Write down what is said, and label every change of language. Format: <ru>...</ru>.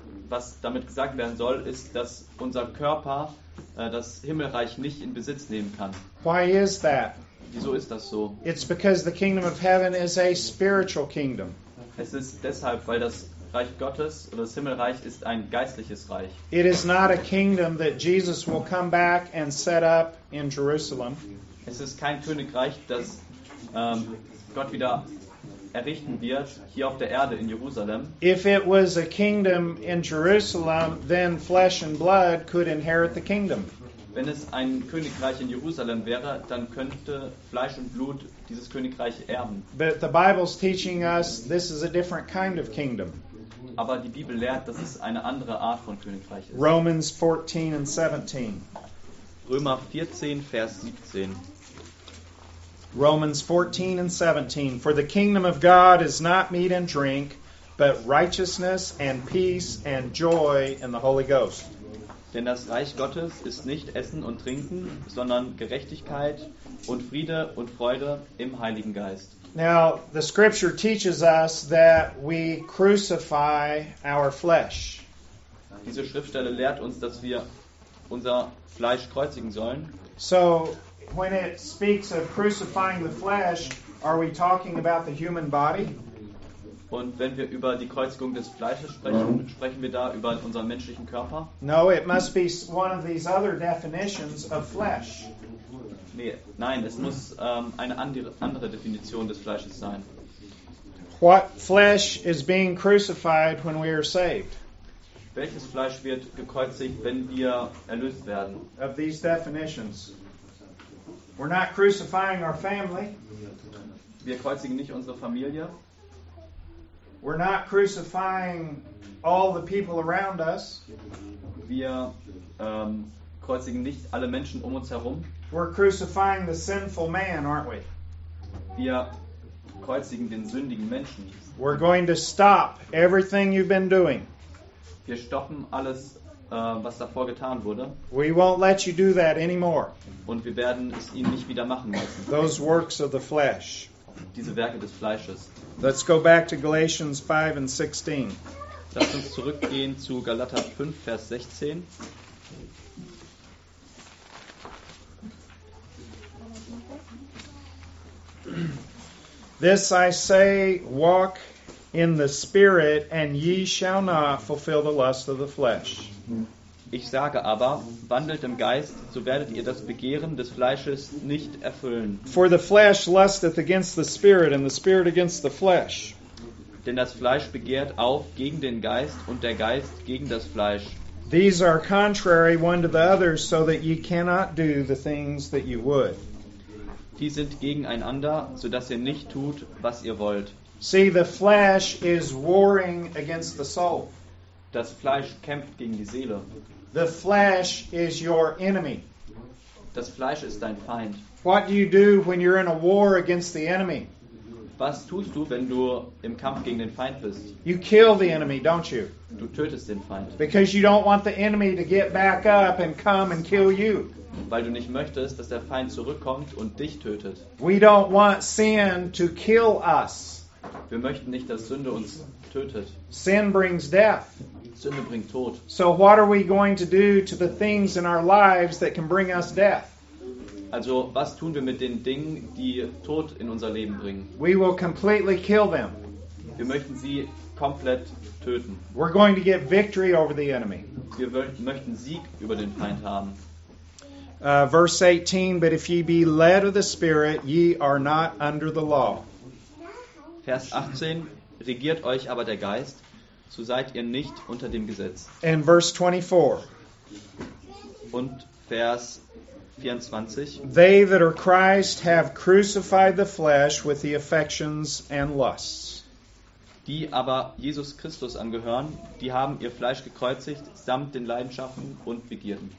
<de>Was damit gesagt werden soll, ist, dass unser Körper das Himmelreich nicht in Besitz nehmen kann.</de> <en>Why is that?</en> <de>Wieso ist das so?</de> <en>It's because the kingdom of heaven is a spiritual kingdom.</en> <de>Es ist deshalb, weil das Reich Gottes oder das Himmelreich ist ein geistliches Reich.</de> <en>It is not a kingdom that Jesus will come back and set up in Jerusalem.</en> <de>Es ist kein Königreich, das Gott wieder errichten wird hier auf der Erde in Jerusalem.</de> <en>If it was a kingdom in Jerusalem, then flesh and blood could inherit the kingdom.</en> <de>Wenn es ein Königreich in Jerusalem wäre, dann könnte Fleisch und Blut dieses Königreich erben.</de> <en>But the Bible's teaching us this is a different kind of kingdom.</en> <de>Aber die Bibel lehrt, dass es eine andere Art von Königreich ist.</de> <en>Romans 14 and 17.</en> <de>Römer 14, Vers 17.</de> <en>Romans 14 and 17. For the kingdom of God is not meat and drink, but righteousness and peace and joy in the Holy Ghost.</en> <de>Denn das Reich Gottes ist nicht Essen und Trinken, sondern Gerechtigkeit und Friede und Freude im Heiligen Geist.</de> <en>Now, the scripture teaches us that we crucify our flesh.</en> <de>Diese Schriftstelle lehrt uns, dass wir unser Fleisch kreuzigen sollen.</de> <en>So, when it speaks of crucifying the flesh, are we talking about the human body?</en> <de>Und wenn wir über die Kreuzigung des Fleisches sprechen, sprechen wir da über unseren menschlichen Körper?</de> <en>No, it must be one of these other definitions of flesh.</en> <de>Nee, nein, es muss eine andere Definition des Fleisches sein.</de> <en>What flesh is being crucified when we are saved?</en> <de>Welches Fleisch wird gekreuzigt, wenn wir erlöst werden?</de> <en>Of these definitions. We're not crucifying our family.</en> <de>Wir kreuzigen nicht unsere Familie.</de> <en>We're not crucifying all the people around us.</en> <de>Wir kreuzigen nicht alle Menschen um uns herum.</de> <en>We're crucifying the sinful man, aren't we?</en> <de>Wir kreuzigen den sündigen Menschen.</de> <en>We're going to stop everything you've been doing.</en> <de>Wir stoppen alles, was davor getan wurde.</de> <en>We won't let you do that anymore.</en> <de>Und wir werden es ihnen nicht wieder machen lassen.</de> <en>Those works of the flesh.</en> <de>Diese Werke des Fleisches.</de> <en>Let's go back to Galatians 5 and 16.</en> <de>Lass uns zurückgehen zu Galater 5, Vers 16.</de> <en>This I say, walk in the Spirit, and ye shall not fulfill the lust of the flesh.</en> <de>Ich sage aber, wandelt im Geist, so werdet ihr das Begehren des Fleisches nicht erfüllen.</de> <en>For the flesh lusteth against the Spirit, and the Spirit against the flesh.</en> <de>Denn das Fleisch begehrt auf gegen den Geist, und der Geist gegen das Fleisch.</de> <en>These are contrary one to the other, so that ye cannot do the things that you would.</en> <de>Die sind gegeneinander, so dass ihr nicht tut, was ihr wollt.</de> <en>See, the flesh is warring against the soul.</en> <de>Das Fleisch kämpft gegen die Seele.</de> <en>The flesh is your enemy.</en> <de>Das Fleisch ist dein Feind.</de> <en>What do you do when you're in a war against the enemy?</en> <de>Was tust du, wenn du im Kampf gegen den Feind bist?</de> <en>You kill the enemy, don't you?</en> <de>Du tötest den Feind.</de> <en>Because you don't want the enemy to get back up and come and kill you.</en> <de>Weil du nicht möchtest, dass der Feind zurückkommt und dich tötet.</de> <en>We don't want sin to kill us.</en> <de>Wir möchten nicht, dass Sünde uns tötet.</de> <en>Sin brings death.</en> <de>Sünde bringt Tod.</de> <en>So what are we going to do to the things in our lives that can bring us death?</en> <de>Also, was tun wir mit den Dingen, die Tod in unser Leben bringen?</de> <en>We will completely kill them.</en> <de>Wir möchten sie komplett töten.</de> <en>We're going to get victory over the enemy.</en> <de>Wir möchten Sieg über den Feind haben.</de> <en>Verse 18, but if ye be led of the Spirit, ye are not under the law.</en> <de>Vers 18, regiert euch aber der Geist, so seid ihr nicht unter dem Gesetz.</de> <en>And verse 24.</en> <de>Und Vers 24.</de> <en>They that are Christ have crucified the flesh with the affections and lusts.</en> <de>Die aber Jesus Christus angehören, die haben ihr Fleisch gekreuzigt samt den Leidenschaften und Begierden.</de>